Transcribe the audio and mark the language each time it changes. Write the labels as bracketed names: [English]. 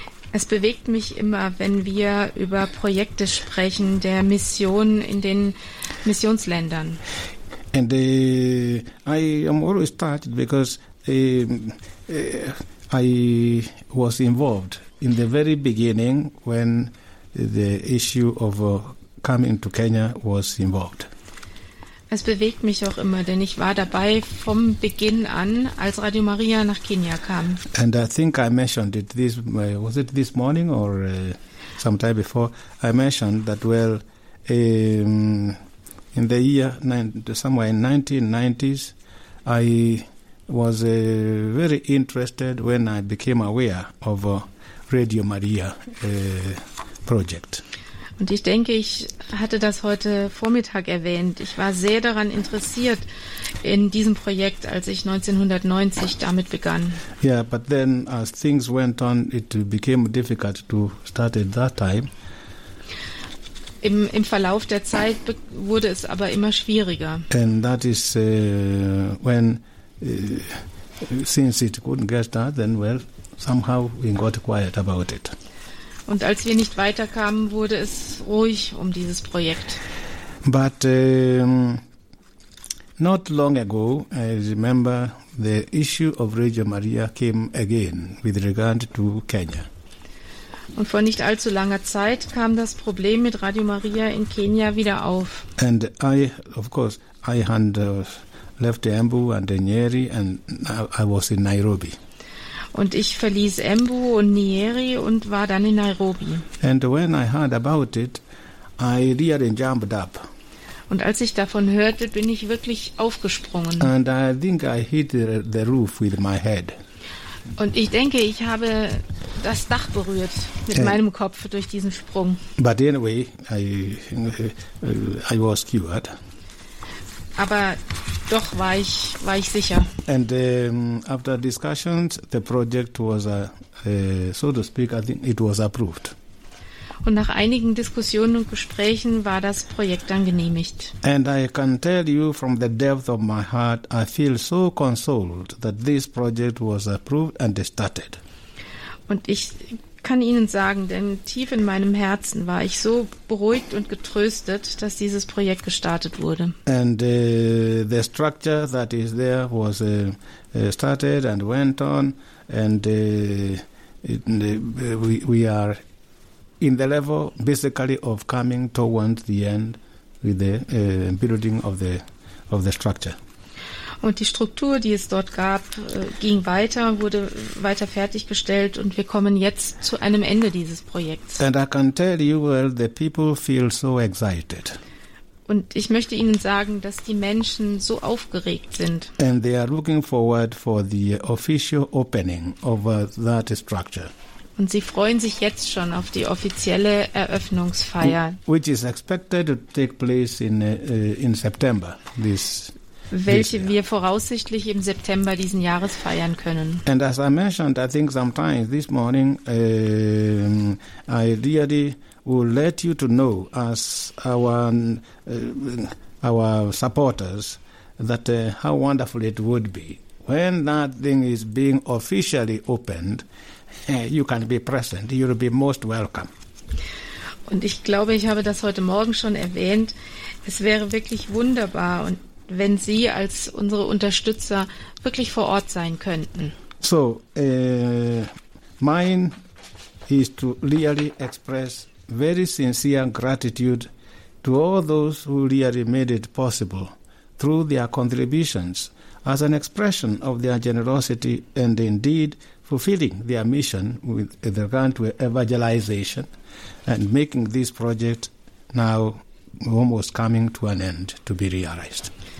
[German] Es bewegt mich immer, wenn wir über Projekte sprechen, der Mission in den Missionsländern. [English] And I am always touched because I was involved in the very beginning when the issue of coming to Kenya was involved. [German] Es bewegt mich auch immer, denn ich war dabei vom Beginn an, als Radio Maria nach Kenia kam. [English] And I think I mentioned it this, was it this morning or sometime before, I mentioned that, well, in the year, somewhere in 1990s, I was very interested when I became aware of Radio Maria project. [German] Und ich denke, ich hatte das heute Vormittag erwähnt. Ich war sehr daran interessiert in diesem Projekt, als ich 1990 damit begann. [English] Yeah, but then as things went on, it became difficult to start at that time. [German] Im Verlauf der Zeit wurde es aber immer schwieriger. [English] And that is when since it couldn't get started, then well, somehow we got quiet about it. [German] Und als wir nicht weiterkamen, wurde es ruhig um dieses Projekt. [English] But not long ago, I remember the issue of Radio Maria came again with regard to Kenya. [German] Und vor nicht allzu langer Zeit kam das Problem mit Radio Maria in Kenia wieder auf. [English] And I, of course, I had left Embu and Nyeri, and I was in Nairobi. [German] Und ich verließ Embu und Nyeri und war dann in Nairobi. [English] And when I heard about it, I really jumped up. [German] Und als ich davon hörte, bin ich wirklich aufgesprungen. [English] And I think I hit the roof with my head. [German] Und ich denke, ich habe das Dach berührt mit meinem Kopf durch diesen Sprung. [English] But anyway, I was cured. [German] Aber doch war ich sicher. [English] And after discussions, the project was, so to speak, I think it was approved. [German] Und nach einigen Diskussionen und Gesprächen war das Projekt dann genehmigt. [English] And I can tell you from the depth of my heart, I feel so consoled that this project was approved and started. [German] Und ich kann Ihnen sagen, denn tief in meinem Herzen war ich so beruhigt und getröstet, dass dieses Projekt gestartet wurde. [English] And the structure that is there was started and went on, and we are in the level basically of coming towards the end with the building of the structure. [German] Und die Struktur, die es dort gab, ging weiter, wurde weiter fertiggestellt und wir kommen jetzt zu einem Ende dieses Projekts. [English] And I can tell you, well, the people feel so excited. [German] Und ich möchte Ihnen sagen, dass die Menschen so aufgeregt sind. [English] And they are looking forward for the official opening of that structure. [German] Und sie freuen sich jetzt schon auf die offizielle Eröffnungsfeier. [English] Which is expected to take place in September this [German] welche wir voraussichtlich im September diesen Jahres feiern können. [English] And as I mentioned, I think sometimes this morning, I really will let you to know as our supporters that how wonderful it would be when that thing is being officially opened. You can be present. You will be most welcome. [German] Und ich glaube, ich habe das heute Morgen schon erwähnt. Es wäre wirklich wunderbar und wenn Sie als unsere Unterstützer wirklich vor Ort sein könnten. [English] So, mine is to really express very sincere gratitude to all those who really made it possible through their contributions as an expression of their generosity and indeed fulfilling their mission with regard to evangelization and making this project now almost coming to an end to be realized.